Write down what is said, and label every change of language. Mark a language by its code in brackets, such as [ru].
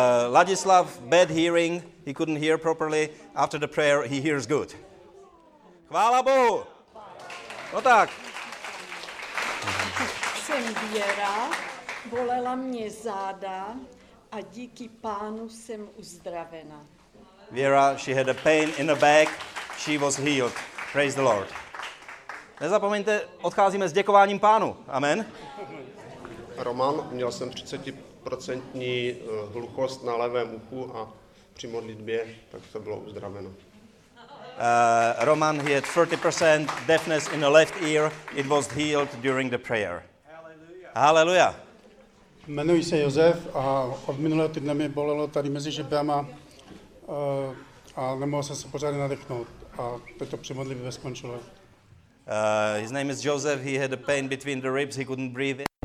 [en] Ladislav, bad hearing, he couldn't hear properly, after the prayer he hears good. [cs] Chvála Bohu! No tak. Jsem Věra, bolela mě záda A díky pánu jsem uzdravena. [en] Vera, she had a pain in the back. She was healed. Praise the Lord. [cs] Nezapomeňte, odcházíme s děkováním pánu. Amen. Roman, měl jsem 30% hluchost na levém uchu a při modlitbě, tak to bylo uzdraveno. [en] Roman, he had 30% deafness in the left ear. It was healed during the prayer. Hallelujah. [cs] Jmenuji se Josef a od minulého týdne mi bolelo tady mezi žebrama a nemohl jsem se pořádně nadechnout. A teď to při modlitbě skončilo. [en] His name is Joseph. He had a pain between the ribs. He couldn't breathe.